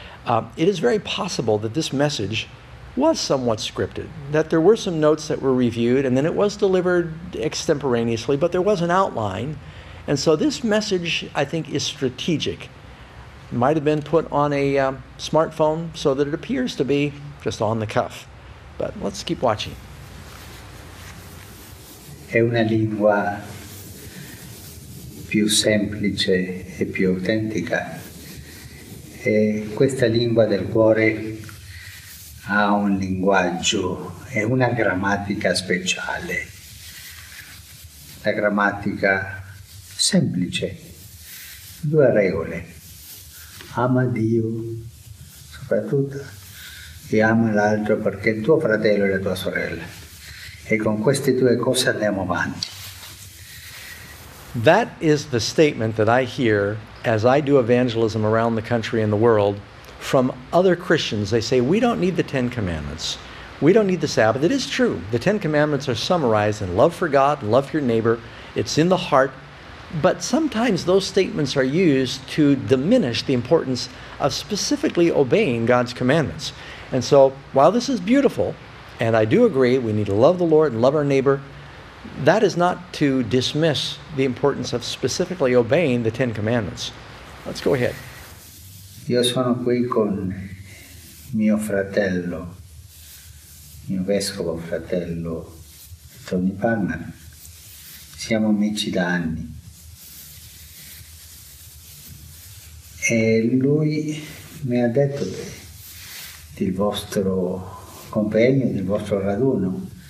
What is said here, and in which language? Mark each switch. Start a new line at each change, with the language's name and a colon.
English: It is very possible that this message was somewhat scripted, that there were some notes that were reviewed, and then it was delivered extemporaneously, but there was an outline. And so this message, I think, is strategic. It might have been put on a smartphone so that it appears to be just on the cuff. But let's keep watching.
Italian: È una lingua più semplice e più autentica. E questa lingua del cuore ha un linguaggio e una grammatica speciale. La grammatica semplice, due regole. Ama Dio, soprattutto, e ama l'altro perché è tuo fratello e la tua sorella. E con queste due cose andiamo avanti.
English: That is the statement that I hear as I do evangelism around the country and the world from other Christians. They say, we don't need the Ten Commandments. We don't need the Sabbath. It is true. The Ten Commandments are summarized in love for God, love for your neighbor. It's in the heart. But sometimes those statements are used to diminish the importance of specifically obeying God's commandments. And so while this is beautiful, and I do agree we need to love the Lord and love our neighbor, that is not to dismiss the importance of specifically obeying the Ten Commandments. Let's go ahead.
Italian: Io sono qui con mio fratello, mio vescovo fratello, Tony Palmer. Siamo amici da anni. E lui mi ha detto del vostro compagno, del vostro raduno.